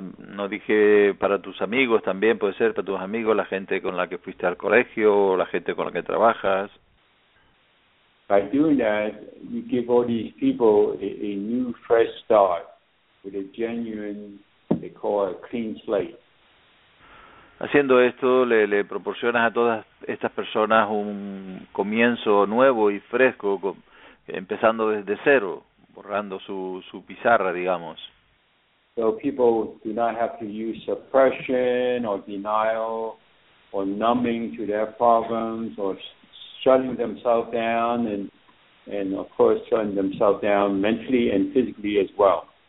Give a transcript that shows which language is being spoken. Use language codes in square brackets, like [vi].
[es] No dije para tus amigos, también puede ser para tus amigos, la gente con la que fuiste al colegio o la gente con la que trabajas. [en] By doing that, you give all these people a new fresh start. with a genuine, they call it a clean slate. [es] Haciendo esto, le proporcionas a todas estas personas un comienzo nuevo y fresco, empezando desde cero, borrando su pizarra, digamos. [en] So people do not have to use suppression or denial or numbing to their problems or shutting themselves down and of course shutting themselves down mentally and physically as well.